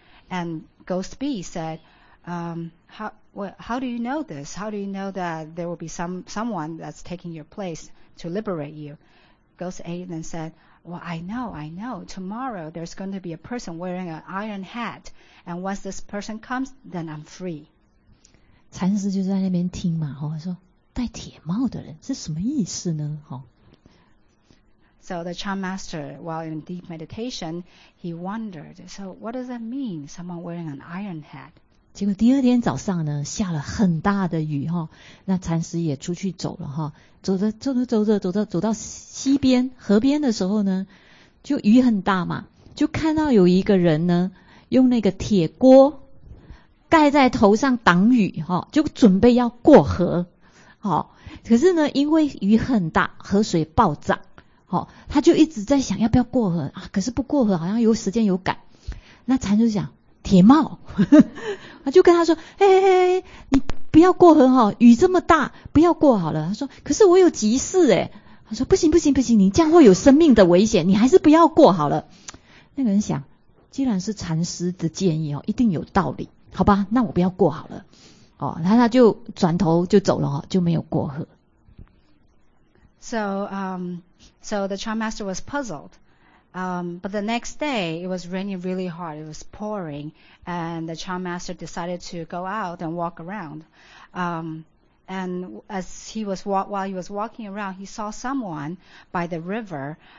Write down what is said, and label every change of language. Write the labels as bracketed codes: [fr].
[en] And ghost B said, how do you know this? How do you know that there will be someone that's taking your place to liberate you? Ghost A then said,Well, I know. Tomorrow there's going to be a person wearing an iron hat. And once this person comes, then I'm free. [zh] 禅师就在那边听嘛，哦，说戴铁帽的人是什么意思呢？哦。 [en] So the Chan master, while in deep meditation, he wondered, so what does that mean, someone wearing an iron hat? [zh] 结果第二天早上呢，下了很大的雨，哦，那禅师也出去走了，哦。走着走着走着走到西边河边的时候呢，就雨很大嘛，就看到有一个人呢用那个铁锅盖在头上挡雨，就准备要过河。可是呢因为雨很大，河水暴涨，他就一直在想要不要过河啊，可是不过河好像有时间有赶。那禅师讲铁帽就跟他说，你不要过河，雨这么大不要过好了。他说可是我有急事耶。他说不行不行不行，你这样会有生命的危险，你还是不要过好了。那个人想，既然是禅师的建议，一定有道理，好吧，那我不要过好了。然后他就转头就走了，就没有过河。 [en] So the Chan Master was puzzled. But the next day, it was raining really hard. It was pouring. And the Chan Master decided to go out and walk around. And as he was while he was walking around, he saw someone by the river.